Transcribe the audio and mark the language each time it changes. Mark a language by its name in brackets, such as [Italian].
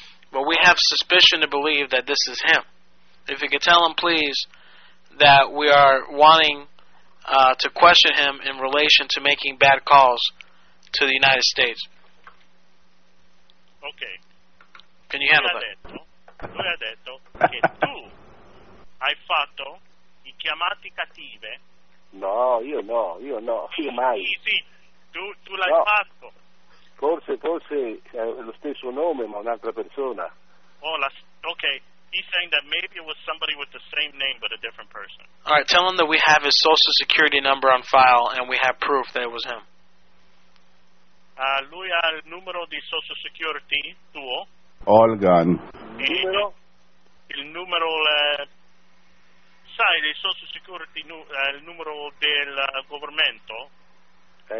[English] But we have suspicion to believe that this is him. If you could tell him, please, that we are wanting to question him in relation to making bad calls to the United States. Okay. Can you handle that? [Italian] Lui ha detto che tu hai fatto i chiamati cattive. No, io no. Io mai. Sì, tu l'hai fatto. Forse è lo stesso nome, ma un'altra persona. [English] He's saying that maybe it was somebody with the same name, but a different person. All right, tell him that we have his social security number on file, and we have proof that it was him. [Italian] Lui ha il numero di social security tuo. [English] All gone. [Italian] Il numero... sai, il social security, il numero del governo?